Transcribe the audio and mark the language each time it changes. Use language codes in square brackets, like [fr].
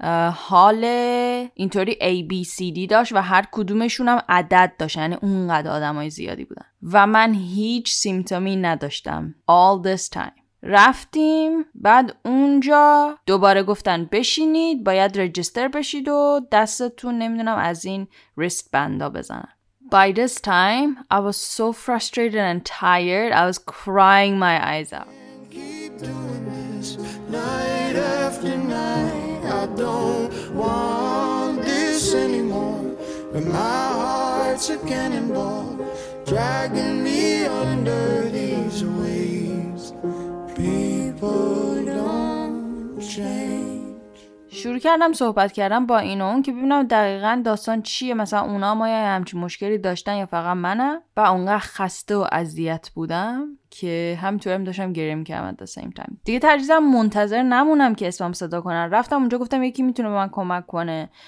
[fa] حال اینطوری A, B, C, D داشت و هر کدومشون هم عدد داشت، یعنی اونقدر آدم های زیادی بودن و من هیچ سیمتومی نداشتم [en] all this time. [fa] رفتیم بعد اونجا دوباره گفتن بشینید، باید رجستر بشید و دستتون نمیدونم از این ریست بندا بزنن. [en] By this time I was so frustrated and tired, I was crying my eyes out. Keep doing this night after night, I don't want this anymore, but my heart's a cannonball dragging me under these waves. People don't change. [fa] شروع کردم صحبت کردم با این و اون که ببینم دقیقا داستان چیه، مثلا اونا ما یا همچین مشکلی داشتن یا فقط منم. و اونقدر خسته و اذیت بودم که همینطور هم داشتم گریه میکردم [en] at the same time. [fa] دیگه ترجیحاً منتظر نمونم که اسمم صدا کنن، رفتم اونجا گفتم یکی میتونه به من کمک کنه.